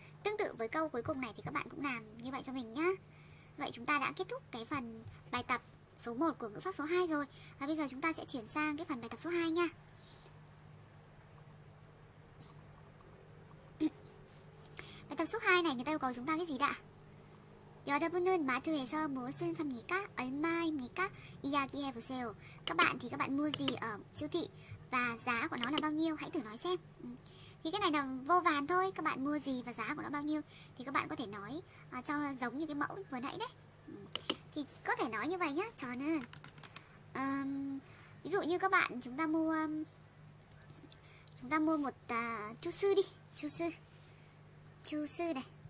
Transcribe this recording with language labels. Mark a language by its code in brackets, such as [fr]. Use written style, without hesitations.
[vi] Tương tự với câu cuối cùng này thì các bạn cũng làm như vậy cho mình nhá. Vậy chúng ta đã kết thúc cái phần bài tập số 1 của ngữ pháp số 2 rồi. Và bây giờ chúng ta sẽ chuyển sang cái phần bài tập số 2 nha. Bài tập số 2 này người ta yêu cầu chúng ta cái gì đã? [ko] 여러분은 마트에서 무엇을 삽니까? 얼마입니까? 이야기해보세요. [vi] Các bạn thì các bạn mua gì ở siêu thị và giá của nó là bao nhiêu? Hãy thử nói xem. Thì cái này là vô vàn thôi, các bạn mua gì và giá của nó bao nhiêu thì các bạn có thể nói cho giống như cái mẫu vừa nãy đấy. Thì có thể nói như vậy nhá, cho nên ví dụ như các bạn chúng ta mua một chu sư đi, chu sư. Chu sư này.